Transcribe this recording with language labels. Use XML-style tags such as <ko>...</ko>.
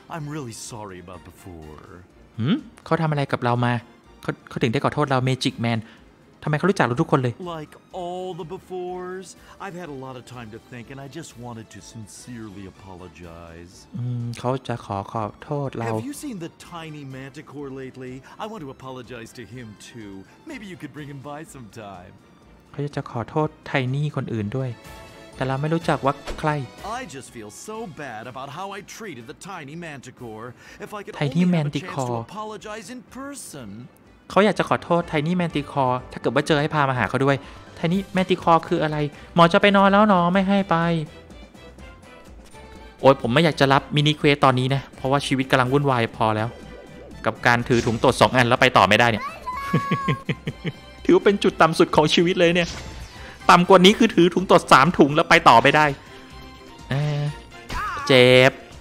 <en>I'm really sorry about before.</en> <th>เขาทำอะไรกับเรามาเขาถึงได้ขอโทษเรา Magic Man. ทำไมเขารู้จักเราทุกคนเลย</th> <en>Like all the befores, I've had a lot of time to think, and I just wanted to sincerely apologize.</en> <th>เขาจะขอโทษเรา</th> <en>Have you seen the tiny manticore lately? I want to apologize to him too. Maybe you could bring him by sometime.</en> <th>เขาจะขอโทษไทนี่คนอื่นด้วยแต่เราไม่รู้จักว่าใคร</th> <en>I just feel so bad about how I treated the tiny manticore. If I could only have a chance to apologize in person.</en> <th>เขาอยากจะขอโทษ tiny manticore ถ้าเกิดว่าเจอให้พามาหาเขาด้วย tiny manticore คืออะไรหมอจะไปนอนแล้วเนาะไม่ให้ไปโอ้ยผมไม่อยากจะรับมินิเควสตอนนี้นะเพราะว่าชีวิตกำลังวุ่นวายพอแล้วกับการถือถุงตด2อันแล้วไปต่อไม่ได้เนี่ย ถือว่าเป็นจุดต่ำสุดของชีวิตเลยเนี่ยต่ำกว่านี้คือถือถุงตด3ถุงแล้วไปต่อไม่ได้เจ็บ</th>